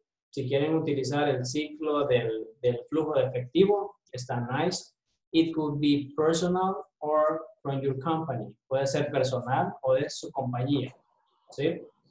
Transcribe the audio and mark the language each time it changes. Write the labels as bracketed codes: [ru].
[es] Si quieren utilizar el ciclo del flujo de efectivo, está nice. [en] It could be personal or from your company. [es] Puede ser personal o de su compañía, ¿sí?